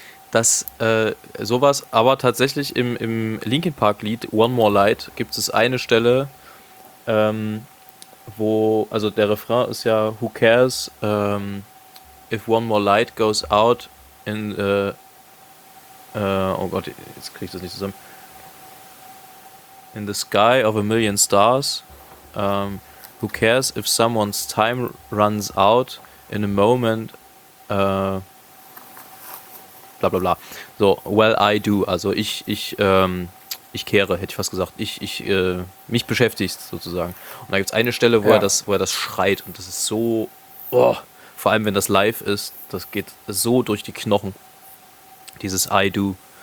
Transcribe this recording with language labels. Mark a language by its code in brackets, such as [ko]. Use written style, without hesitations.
[de] Das sowas, aber tatsächlich im Linkin Park-Lied One More Light gibt es eine Stelle, wo, also der Refrain ist ja [en] Who cares if one more light goes out in the. [de] Oh Gott, jetzt kriege ich das nicht zusammen. [en] In the sky of a million stars. Who cares if someone's time runs out in a moment. Blablabla. Bla, bla. So, well, I do. [de] Also ich kehre, hätte ich fast gesagt. Ich mich beschäftigt sozusagen. Und da gibt es eine Stelle, wo er das schreit. Und das ist so, oh, vor allem wenn das live ist, das geht so durch die Knochen. Dieses [en] I do.